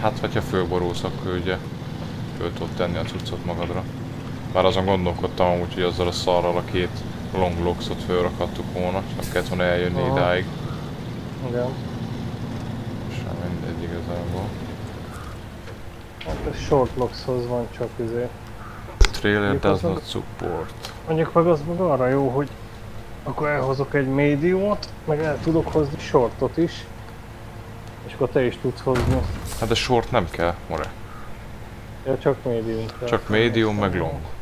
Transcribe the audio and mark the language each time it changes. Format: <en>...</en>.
<hu>Hát, hogyha fölborulsz, akkor ugye föl tudod tenni a cuccot magadra. Már azon gondolkodtam amúgy, hogy azzal a szarral a két long locks-ot fölrakadtuk volna. Csak kellett volna eljönni idáig. Igen. Sem mindegy igazából. Hát ez short lockshoz van csak izé.</hu> <en>Trailer does not support.</en> <hu>Mondjuk meg az meg arra jó, hogy akkor elhozok egy médiumot, meg el tudok hozni shortot is. És akkor te is tudsz hozni. Hát a short nem kell, more. Ja, csak médium kell. Csak médium meg long.</hu>